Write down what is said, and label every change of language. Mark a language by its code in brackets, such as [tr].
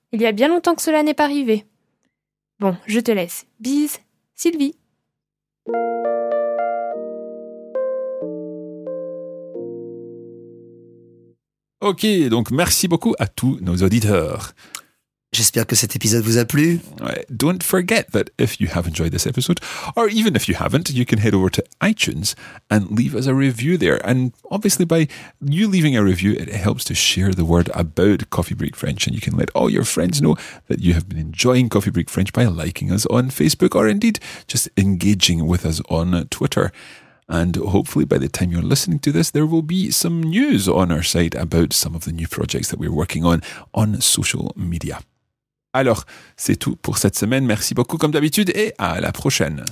[fr] Il y a bien longtemps que cela n'est pas arrivé. Bon, je te laisse. Bise, Sylvie. Ok, donc merci beaucoup à tous nos auditeurs. J'espère que cet épisode vous a plu. [en] Don't forget that if you have enjoyed this episode, or even if you haven't, you can head over to iTunes and leave us a review there. And obviously by you leaving a review, it helps to share the word about Coffee Break French, and you can let all your friends know that you have been enjoying Coffee Break French by liking us on Facebook, or indeed just engaging with us on Twitter. And hopefully by the time you're listening to this, there will be some news on our site about some of the new projects that we're working on social media. [fr] Alors, c'est tout pour cette semaine. Merci beaucoup comme d'habitude et à la prochaine.